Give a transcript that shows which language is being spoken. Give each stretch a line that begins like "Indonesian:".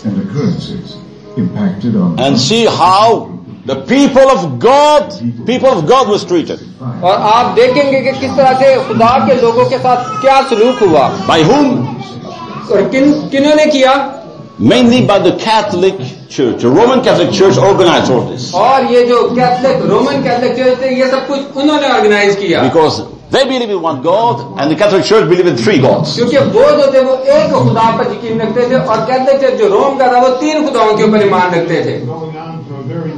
English: And see how the people of God was treated.
Hindi: और आप देखेंगे कि किस तरह से खुदा के लोगों के साथ क्या सलूक हुआ.
English: By whom?
Hindi: और किन्होंने किया?
English: Mainly by the Catholic Church. The Roman Catholic Church organized all this.
Hindi: और ये जो कैथलिक रोमन कैथलिक चर्च थे ये सब कुछ उन्होंने ऑर्गेनाइज किया.
English: Because they believe in one God and the Catholic Church believe in three gods.
Hindi: क्योंकि वो जो थे वो एक खुदा पर यकीन रखते थे और कहते थे जो रोम का था वो तीन खुदाओं के ऊपर ईमान रखते थे.